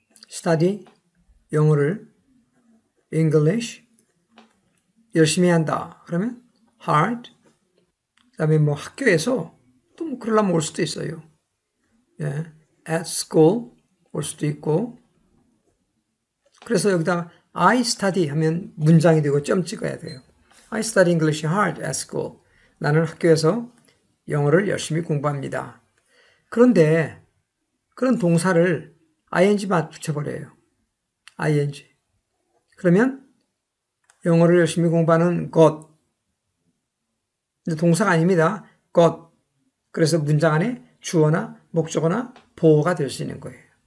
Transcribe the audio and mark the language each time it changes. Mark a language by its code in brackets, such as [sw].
[en] study, [ko] 영어를, [en] English, [ko] 열심히 한다. 그러면 [en] hard, [ko] 그 다음에 뭐 학교에서 또 뭐 그러려면 올 수도 있어요. 예, [en] at school [ko] 올 수도 있고. 그래서 여기다가 [en] I study [ko] 하면 문장이 되고 점 찍어야 돼요. [en] I study English hard at school. [ko] 나는 학교에서 영어를 열심히 공부합니다. 그런데 그런 동사를 ing 맞 붙여버려요. ing. 그러면 영어를 열심히 공부하는 것. 근데 동사가 아닙니다. 것. 그래서 문장 안에 주어나 목적어나 보어가 될 수 있는 거예요.